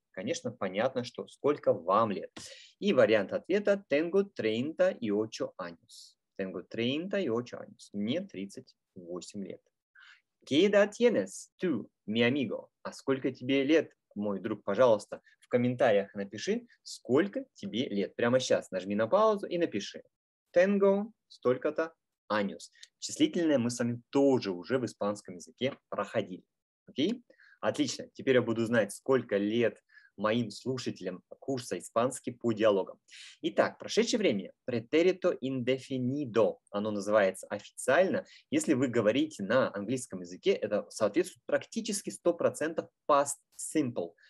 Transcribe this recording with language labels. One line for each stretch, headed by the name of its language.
Russian: Конечно, понятно, что сколько вам лет. И вариант ответа –
Spanish: tengo 38 años. Tengo 38 años.
Russian: Мне 38 лет.
Spanish: ¿Qué edad tienes? Tú, mi amigo.
Russian: А сколько тебе лет? Мой друг, пожалуйста, в комментариях напиши, сколько тебе лет. Прямо сейчас нажми на паузу и напиши.
Spanish: Tengo
Russian: столько-то
Spanish: años.
Russian: Числительное мы с вами тоже уже в испанском языке проходили. Окей? Отлично. Теперь я буду знать, сколько лет моим слушателям курса испанский по диалогам. Итак, прошедшее время. Pretérito indefinido. Оно называется официально. Если вы говорите на английском языке, это соответствует практически 100% past simple.